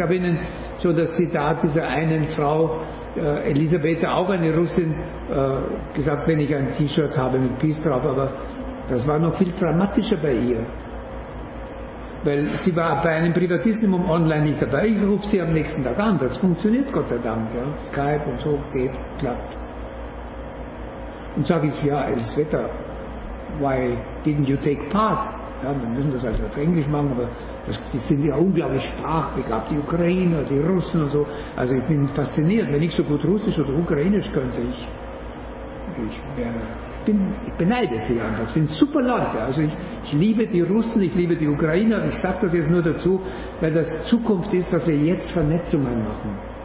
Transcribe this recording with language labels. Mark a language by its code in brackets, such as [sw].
[de] Ich habe Ihnen so das Zitat dieser einen Frau, Elisabeth, auch eine Russin, gesagt, wenn ich ein T-Shirt habe mit Peace drauf, aber das war noch viel dramatischer bei ihr. Weil sie war bei einem Privatismus online nicht dabei. Ich rufe sie am nächsten Tag an. Das funktioniert, Gott sei Dank. Ja. Skype und so geht, klappt. Und sage ich, ja, Elisabeth, [en] why didn't you take part? [de] Ja, wir müssen das also auf Englisch machen, aber die sind ja unglaublich sprachbegabt, die Ukrainer, die Russen und so. Also ich bin fasziniert, wenn ich so gut Russisch oder Ukrainisch könnte, ich beneide sie einfach, sind super Leute. Also ich liebe die Russen, ich liebe die Ukrainer, ich sage das jetzt nur dazu, weil das Zukunft ist, dass wir jetzt Vernetzungen machen.